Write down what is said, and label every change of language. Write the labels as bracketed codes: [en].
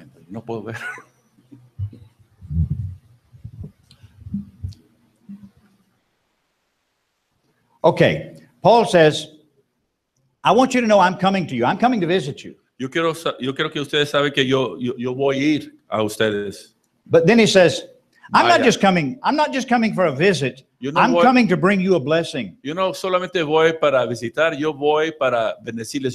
[es] No puedo ver. [en] Okay. Paul says, I want you to know I'm coming to you. I'm coming to visit you. [es] Yo quiero que ustedes saben que yo voy a ir a ustedes. [en] But then he says, I'm not just coming for a visit. coming to bring you a blessing. [es] Yo no solamente voy para visitar, yo voy para bendecirles.